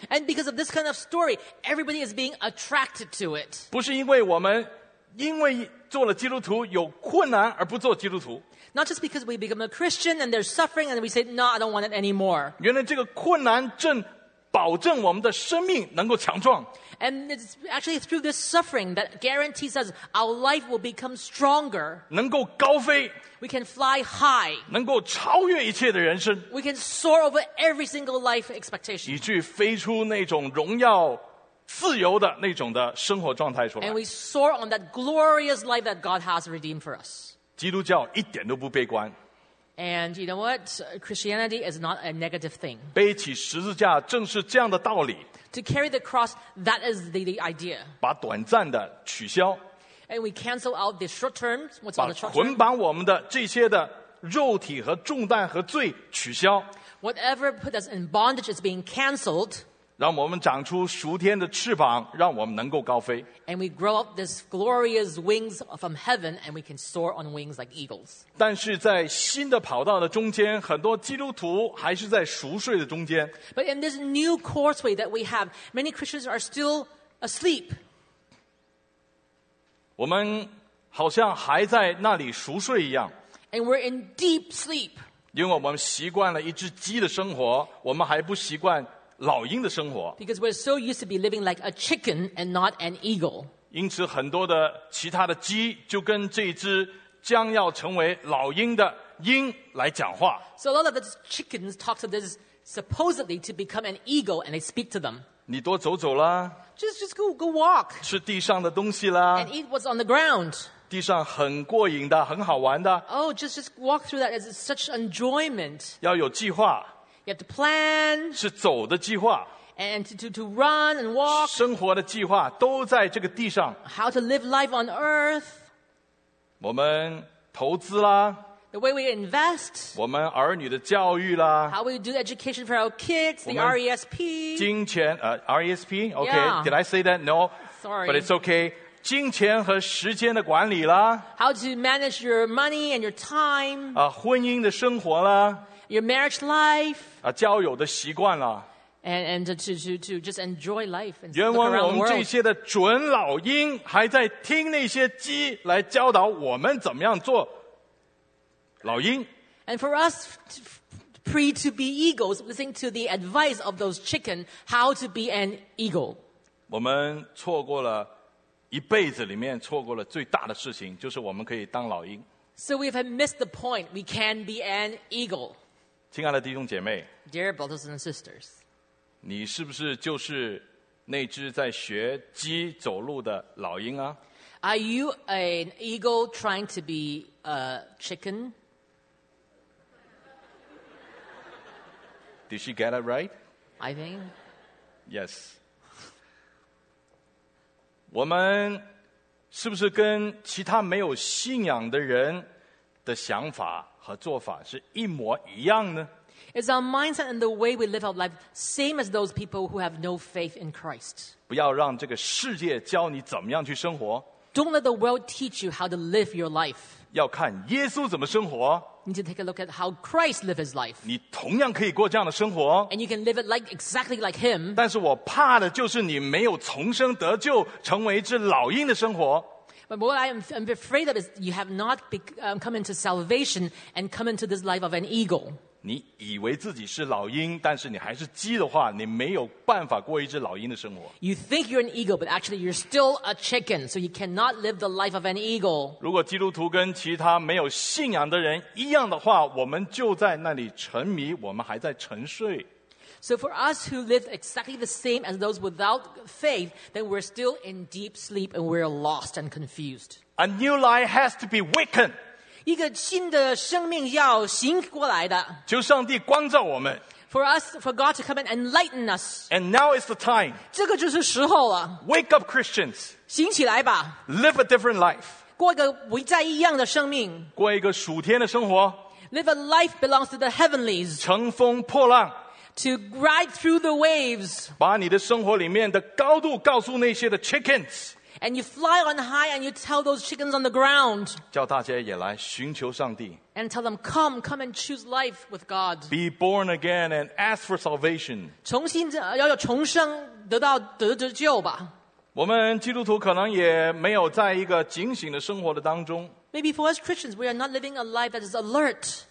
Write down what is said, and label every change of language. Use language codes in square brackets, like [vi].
[en] And because of this kind of story, everybody is being attracted to it. [zh] 不是因为我们因为做了基督徒有困难而不做基督徒。 [en] Not just because we become a Christian and there's suffering and we say, no, I don't want it anymore. [zh] 原来这个困难正保证我们的生命能够强壮。 [en] And it's actually through this suffering that guarantees us our life will become stronger. [zh] 能够高飞。 [en] We can fly high. [zh] 能够超越一切的人生。 [en] We can soar over every single life expectation. [zh] 以至于飞出那种荣耀自由的那种的生活状态出来。 [en] And we soar on that glorious life that God has redeemed for us. [zh] 基督教一点都不悲观。 [en] And you know what? Christianity is not a negative thing. [zh] 背起十字架正是这样的道理。 [en] To carry the cross, that is the idea. [zh] 把短暂的取消。 [en] And we cancel out the short term, what's on the short term? [zh] 把捆绑我们的这些的肉体和重担和罪取消。 [en] Whatever put us in bondage is being cancelled. [zh] 让我们长出属天的翅膀，让我们能够高飞。 [en] And we grow up these glorious wings from heaven, and we can soar on wings like eagles. [zh] 但是在新的跑道的中间，很多基督徒还是在熟睡的中间。 [en] But in this new courseway that we have, many Christians are still asleep. [zh] 我们好像还在那里熟睡一样。 [en] And we're in deep sleep. [zh] 因为我们习惯了一只鸡的生活，我们还不习惯老鹰的生活。 [en] Because we're so used to be living like a chicken and not an eagle. [zh] 因此很多的其他的鸡就跟这只将要成为老鹰的鹰来讲话。 [en] So a lot of the chickens talk to this supposedly to become an eagle and they speak to them. [zh] 你多走走啦。 [en] Just go walk. [zh] 吃地上的东西啦。 [en] And eat what's on the ground. [zh] 地上很过瘾的，很好玩的。 [en] Oh, just walk through that. It's such enjoyment. [zh] 要有计划。 [en] You have to plan. [zh] 是走的计划。 [en] And to run and walk. [zh] 生活的计划都在这个地上。 [en] How to live life on earth. [zh] 我们投资啦。 [en] The way we invest. [zh] 我们儿女的教育啦。 [en] How we do education for our kids. The RESP. [zh] 金钱RESP. [en] Okay. Yeah. Did I say that? No. Sorry. But it's okay. [zh] 金钱和时间的管理啦。 [en] How to manage your money and your time. [zh] 啊，婚姻的生活啦。 [en] Your marriage life. [zh] 啊，交友的习惯啦。 [en] And to just enjoy life. [zh] 原文我们这些的准老鹰还在听那些鸡来教导我们怎么样做老鹰。 [en] And for us to be eagles, listening to the advice of those chicken, how to be an eagle. [zh] 我们错过了一辈子里面错过了最大的事情，就是我们可以当老鹰。 [en] So we have missed the point. We can be an eagle. [zh] 亲爱的弟兄姐妹 [en] ，Dear brothers and sisters， [zh] 你是不是就是那只在学鸡走路的老鹰啊 [en] ？Are you an eagle trying to be a chicken？ Did she get it right？ I think. Yes. [zh] 我们是不是跟其他没有信仰的人的想法和做法是一模一样呢 [en] ？Is our mindset and the way we live our life same as those people who have no faith in Christ？ [zh] 不要让这个世界教你怎么样去生活。 [en] Don't let the world teach you how to live your life。 [zh] 要看耶稣怎么生活。 [en] You need to take a look at how Christ lived his life. [zh] 你同样可以过这样的生活。 [en] And you can live it like exactly like him. [zh] 但是我怕的就是你没有重生得救，成为一只老鹰的生活。 [en] But what I'm afraid of is you have not come into salvation and come into this life of an eagle. [zh] 你以为自己是老鹰，但是你还是鸡的话，你没有办法过一只老鹰的生活。 [en] You think you're an eagle, but actually you're still a chicken, so you cannot live the life of an eagle. [zh] 如果基督徒跟其他没有信仰的人一样的话，我们就在那里沉迷，我们还在沉睡。 [en] So for us who live exactly the same as those without faith, then we're still in deep sleep and we're lost and confused. A new life has to be wakened. [zh] 一个新的生命要醒过来的。求上帝光照我们。 [en] For God to come and enlighten us. And now is the time. [zh] 这个就是时候了。 [en] Wake up, Christians. [zh] 醒起来吧。 [en] Live a different life. [zh] 过一个不再一样的生命。过一个属天的生活。 [en] Live a life belongs to the heavenlies. [zh] 乘风破浪。 [en] To ride through the waves. [zh] 把你的生活里面的高度告诉那些的 chickens. [en] And you fly on high and you tell those chickens on the ground. [zh] 叫大家也来寻求上帝。 [en] And tell them, come and choose life with God. Be born again and ask for salvation. [zh] 重新要重生得救吧。我们基督徒可能也没有在一个警醒的生活的当中。 [en] Maybe for us Christians, we are not living a life that is alert.